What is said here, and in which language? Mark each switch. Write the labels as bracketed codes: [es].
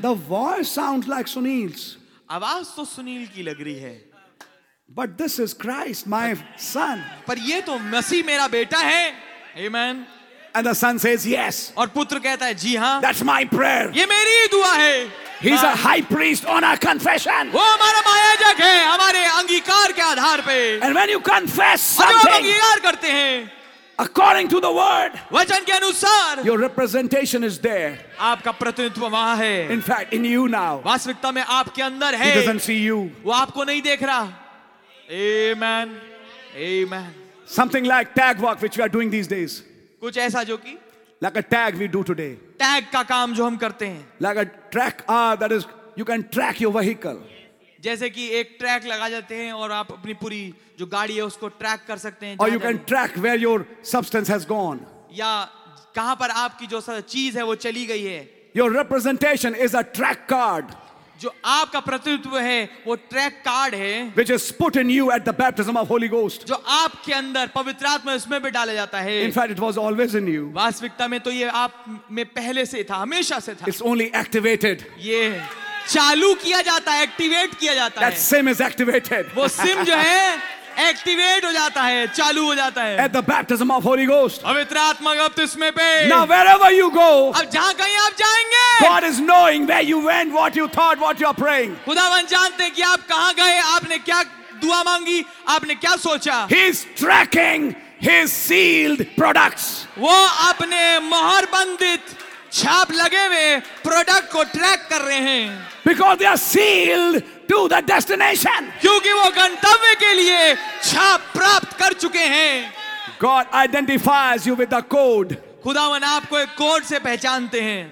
[en] The voice sounds like Sunil's. [hi] आवाज तो सुनील की लग रही है. [en] But this is Christ, my son. [hi] पर ये तो मसीह मेरा बेटा है. [en] Amen. And the son says yes. [hi] और पुत्र कहता है जी हाँ. [en] That's my prayer. [hi] ये मेरी ही दुआ है. [en] He's a high priest on our confession. [hi] वो हमारा महायाजक है हमारे अंगीकार के आधार पे. [en] And when you confess something, [hi] जब अंगीकार करते हैं, [en] according to the word, [hi] वचन के अनुसार, [en] your representation is there. [hi] आपका प्रतिनिधित्व वहाँ है. [en] In fact, in you now. [hi] वास्तविकता में आपके अंदर है. [en] He doesn't see you. [hi] वो आपको नहीं देख रहा. Amen. Amen. [en] Something like tag work, which we are doing these days. [hi] कुछ ऐसा जो कि [en] like a tag we do today. [hi] Tag का काम जो हम करते हैं. [en] Like a track, that is, you can track your vehicle. [hi] जैसे कि एक ट्रैक लगा जाते हैं और आप अपनी पूरी जो गाड़ी है उसको ट्रैक कर सकते हैं. [en] Or you can track where your substance has gone. [hi] या कहां पर आपकी जो चीज है वो चली गई है. [en] Your representation is a track card. [hi] जो आपका प्रतिनिधित्व है वो ट्रैक कार्ड है. [en] Which is put in you at the baptism of Holy Ghost. [hi] जो आपके अंदर पवित्र आत्मा उसमें भी डाला जाता है. [en] In fact, it was always in you. [hi] वास्तविकता में तो ये आप में पहले से था हमेशा से था. [en] It's only activated. [hi] ये चालू किया जाता है एक्टिवेट किया जाता [en] है. That sim is activated. [hi] वो सिम जो है एक्टिवेट हो जाता है चालू हो जाता है. [en] At the baptism of Holy Ghost. [hi] पवित्र आत्मा का बपतिस्मे पे. [en] Now wherever you go. [hi] अब जहां कहीं आप जाएंगे. [en] God is knowing where you went, what you thought, what you are praying. [hi] खुदावन जानते हैं कि आप कहां गए आपने क्या दुआ मांगी आपने क्या सोचा. [en] He is tracking his sealed products. [hi] वो अपने मोहर बंधित छाप लगे हुए प्रोडक्ट को ट्रैक कर रहे हैं [en] because they are sealed to the destination [hi] क्योंकि वो गंतव्य के लिए छाप प्राप्त कर चुके हैं [en] God identifies you with the code [hi] खुदावन आपको एक कोड से पहचानते हैं